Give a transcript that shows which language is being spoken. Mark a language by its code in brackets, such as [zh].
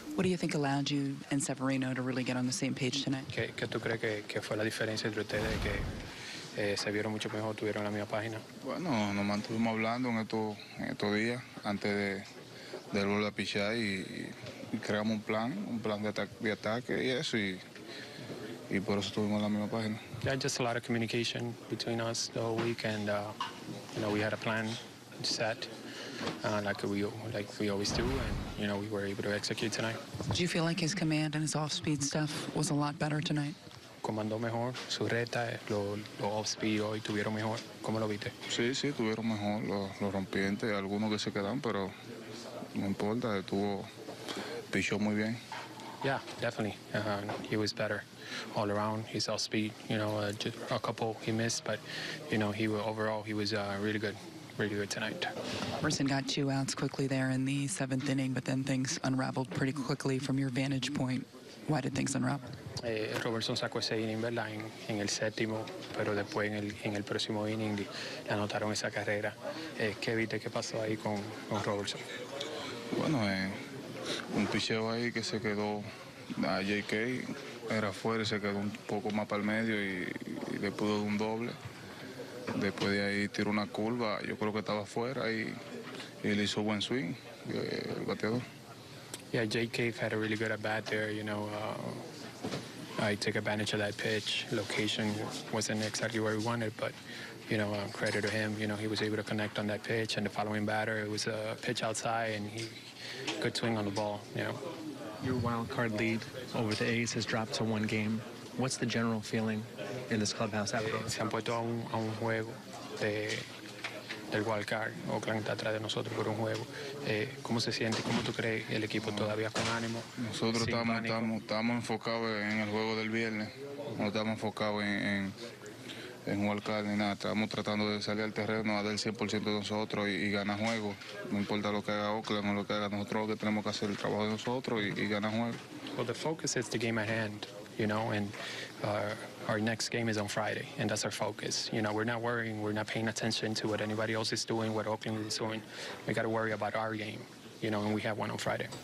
[en] What do you think allowed you and Severino to really get on the same page tonight? [es] ¿Qué tú crees que fue la diferencia entre ustedes, que se vieron mucho mejor, tuvieron la misma página? Bueno, nos mantuvimos hablando en estos días antes de volver a pichar y creamos un plan de ataque y eso, y por eso tuvimos la misma página. [en] Yeah, just a lot of communication between us the whole week, and you know, we had a plan set. Like we always do, and you know, we were able to execute tonight. Do you feel like his command and his off-speed stuff was a lot better tonight? [es] Comandó mejor su reta, lo off-speed hoy tuvieron mejor. ¿Cómo lo viste? Sí, tuvieron mejor los rompientes, algunos que se quedan, pero no importa, pichó muy bien. [en] Yeah, definitely. He was better all around. His off-speed, you know, just a couple he missed, but you know, overall he was really good. Really good tonight. Morrison got two outs quickly there in the seventh inning, but then things unraveled pretty quickly from your vantage point. Why did things unravel? [es] Robertson sacó ese inning, ¿verdad? En el séptimo, pero después en el próximo inning le anotaron esa carrera. ¿Qué viste que pasó ahí con Robertson? Bueno, un picheo ahí que se quedó a JK, era afuera, se quedó un poco más para el medio y le pudo dar un doble. Después de ahí tiró una curva, yo creo que estaba afuera y le hizo buen swing el bateador. [en] Yeah, JK had a really good at bat there, you know. I took advantage of that pitch. Location wasn't exactly where we wanted, but you know, credit to him, you know, he was able to connect on that pitch, and the following batter, it was a pitch outside and he good swing on the ball, you know. Your wild card lead over the A's has dropped to one game. What's the general feeling in this clubhouse after this? [es] Se han puesto a un juego del wild card. Oakland está atrás de nosotros por un juego. ¿Cómo se siente? ¿Cómo tú crees el equipo todavía con ánimo? Nosotros estamos enfocados en el juego del viernes. No estamos enfocados en wild card ni nada. Estamos tratando de salir al terreno a dar el 100% de nosotros y ganar juego. No importa lo que haga Oakland o lo que haga nosotros, que tenemos que hacer el trabajo de nosotros y ganar juego. [en] Well, the focus is the game at hand. You know, and our next game is on Friday, and that's our focus. You know, we're not worrying, we're not paying attention to what anybody else is doing, what Oakland is doing. We got to worry about our game, you know, and we have one on Friday.